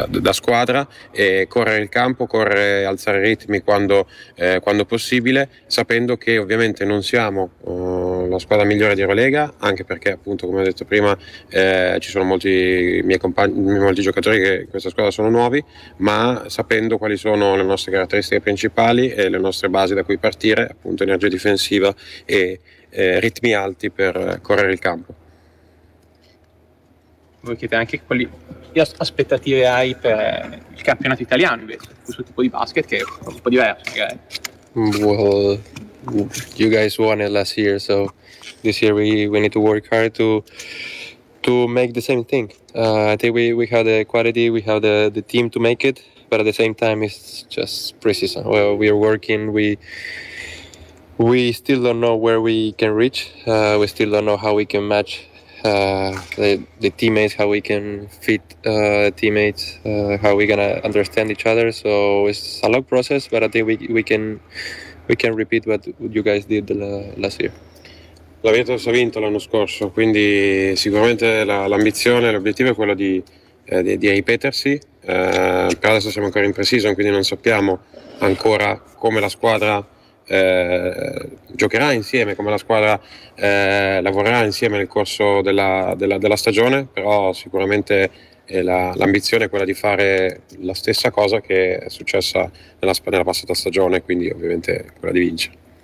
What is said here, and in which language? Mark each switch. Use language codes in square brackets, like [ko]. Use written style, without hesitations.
[it] squadra, e correre il campo, alzare i ritmi quando possibile, sapendo che ovviamente non siamo la squadra migliore di Eurolega, anche perché appunto come ho detto prima ci sono molti miei compagni, molti giocatori che in questa squadra sono nuovi, ma sapendo quali sono le nostre caratteristiche principali e le nostre basi da cui partire, appunto energia difensiva e ritmi alti per correre il campo. Voi chiedete anche quali aspettative hai per il campionato italiano invece, questo tipo di basket che è un po' diverso, magari. [en] Well, you guys won it last year, so this year we need to work hard to make the same thing. I think we have the quality, we have the team to make it, but at the same time it's just preseason. Well, we are working, we still don't know where we can reach, we still don't know how we can match the teammates, how we can fit teammates, how we're gonna understand each other. So it's a long process, but I think we can repeat what you guys did last year. [it] La Virtus ha vinto l'anno scorso, quindi sicuramente l'ambizione, l'obiettivo è quello di ripetersi. Per adesso siamo ancora in pre-season, quindi non sappiamo ancora come la squadra giocherà insieme, come la squadra lavorerà insieme nel corso della stagione, però sicuramente l'ambizione è quella di fare la stessa cosa che è successa nella passata stagione, quindi ovviamente quella di vincere.